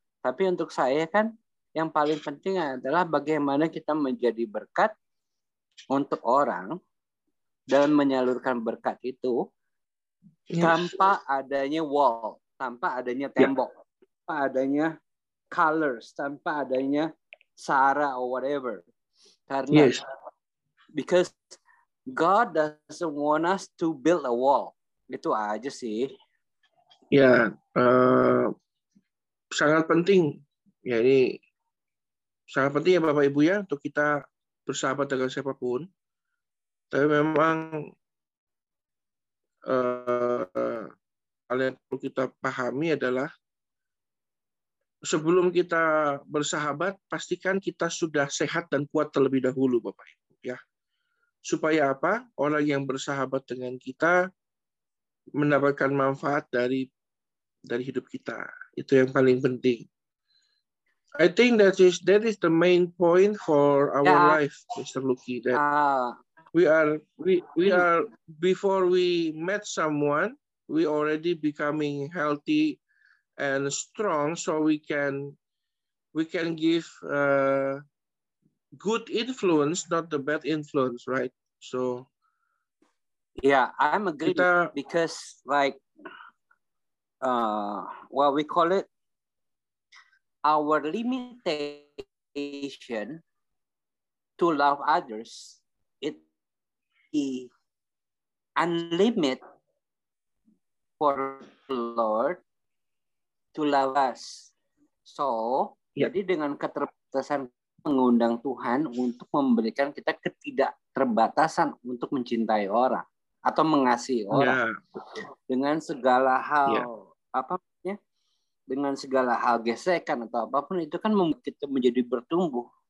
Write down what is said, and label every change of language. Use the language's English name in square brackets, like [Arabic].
[Indonesian] Tapi untuk saya kan yang paling penting adalah bagaimana kita menjadi berkat untuk orang dan menyalurkan berkat itu tanpa adanya wall, tanpa adanya tembok, tanpa adanya colors, tanpa adanya sara or whatever. [English] Karena because God doesn't want us to build a wall. [Indonesian] Itu aja sih. Ya, sangat penting. Ya, ini sangat penting ya Bapak Ibu ya untuk kita bersahabat dengan siapapun. Tapi memang hal yang perlu kita pahami adalah sebelum kita bersahabat, pastikan kita sudah sehat dan kuat terlebih dahulu, Bapak Ibu. Ya, supaya apa? Orang yang bersahabat dengan kita mendapatkan manfaat dari hidup kita. Itu yang paling penting. [English] I think that is the main point for our life, Mr. Lucky. That we are before we met someone, we already becoming healthy and strong, so we can give good influence, not the bad influence, right? So yeah, I'm agree kita, because like what we call it, our limitation to love others, it be unlimited for the Lord to love us. So [Indonesian] Jadi dengan keterbatasan mengundang Tuhan untuk memberikan kita ketidakterbatasan untuk mencintai orang atau mengasihi orang dengan segala hal apa dengan segala hal gesekan atau apapun itu kan membuat kita menjadi bertumbuh.